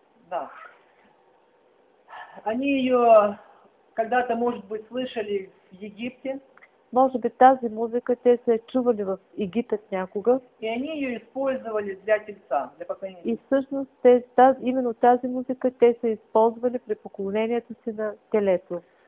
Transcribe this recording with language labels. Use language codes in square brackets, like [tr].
[ru] Да. Они ее когда-то, может быть, слышали в Египте. [bg] Може би тази музика те се е чували в Египет някога. [ru] И они ее использовали для тельца, для поклонения. [bg] И всъщност именно тази музика те се използвали при поклонението си на телето.